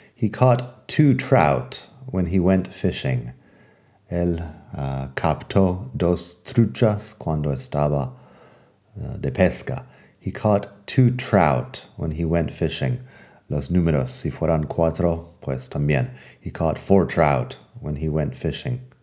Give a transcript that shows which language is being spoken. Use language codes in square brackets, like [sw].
[en] He caught two trout when he went fishing. [es] Él captó dos truchas cuando estaba de pesca. [en] He caught two trout when he went fishing. [es] Los números, si fueran cuatro, pues también. [en] He caught four trout when he went fishing.